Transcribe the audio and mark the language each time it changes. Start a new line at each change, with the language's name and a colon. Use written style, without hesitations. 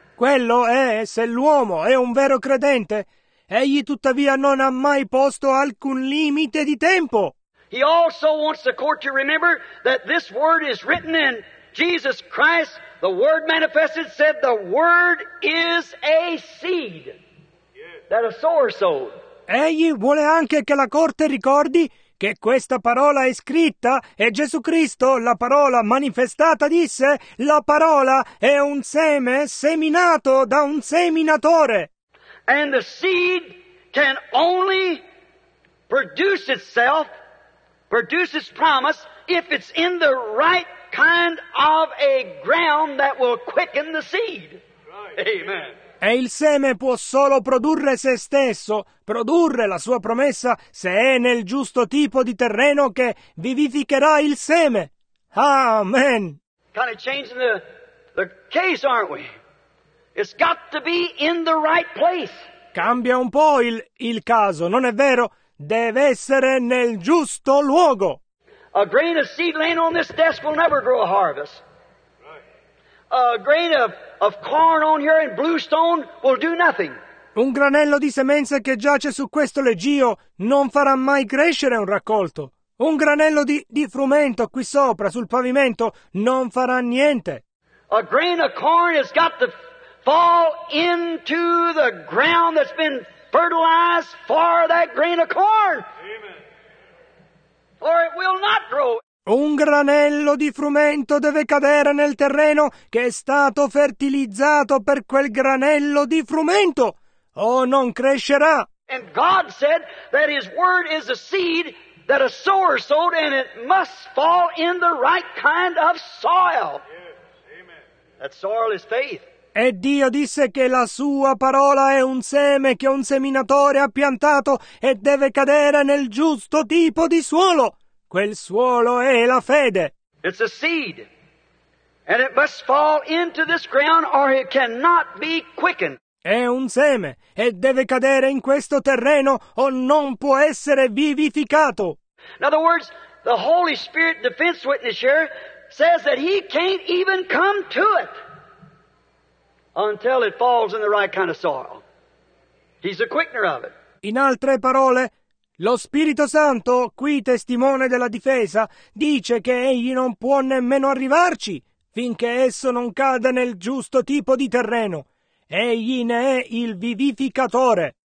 Italian: Quello è se l'uomo è un vero credente, egli tuttavia non ha mai posto alcun limite di tempo.
English: He also wants the court to remember that this word is written in Jesus Christ, the word manifested, said the word is a seed that a sower sowed.
Italian: Egli vuole anche che la corte ricordi che questa parola è scritta e Gesù Cristo, la parola manifestata, disse la parola è un seme seminato da un seminatore.
English: And the seed can only produce itself, produce its promise, if it's in the right kind of a ground that will quicken the seed. Amen.
Italian: E il seme può solo produrre se stesso, produrre la sua promessa, se è nel giusto tipo di terreno che vivificherà il seme.
English: Amen. Kind of changing the case, aren't we? It's got to be in the right place.
Italian: Cambia un po' il caso, non è vero? Deve essere nel giusto luogo.
English: A grain of seed laying on this desk will never grow a harvest. A grain of corn on here in bluestone will do nothing.
Italian: Un granello di semenza che giace su questo leggio non farà mai crescere un raccolto. Un granello di frumento qui sopra sul pavimento non farà niente.
English: A grain of corn has got to fall into the ground that's been fertilized for that grain of corn. Amen. Or it will not grow.
Italian: Un granello di frumento deve cadere nel terreno che è stato fertilizzato per quel granello di frumento, o non crescerà.
English: And God said that His word is a seed that a sower sowed, and it must fall in the right kind of soil. Yes. Amen. That soil is faith.
Italian: E Dio disse che la sua parola è un seme che un seminatore ha piantato e deve cadere nel giusto tipo di suolo. Quel suolo è la fede.
English: It's a seed, and it must fall into this ground or it cannot be quickened.
Italian: È un seme e deve cadere in questo terreno o non può essere vivificato.
English: In other words, the Holy Spirit defense witness here says that he can't even come to it until it falls in the right kind of soil. He's a quickener of it.
Italian: In altre parole, lo Spirito Santo, qui testimone della difesa, dice che egli non può nemmeno arrivarci finché esso non cade nel giusto tipo di terreno. Egli ne è il vivificatore.